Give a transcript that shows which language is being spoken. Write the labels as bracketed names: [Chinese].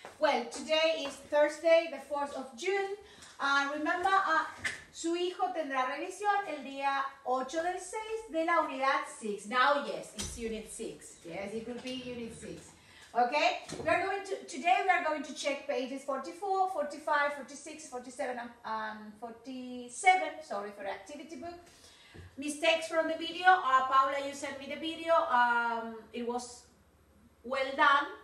[English] Well, today is Thursday, the 4th of June. Remember, [Spanish] su hijo tendrá revisión el día 8 del 6 de la unidad 6. [English] Now, yes, it's unit 6. Yes, it will be unit 6. Okay? Today we are going to check pages 44, 45, 46, 47, and 47. Sorry for the activity book. Mistakes from the video. Paula, you sent me the video. It was well done.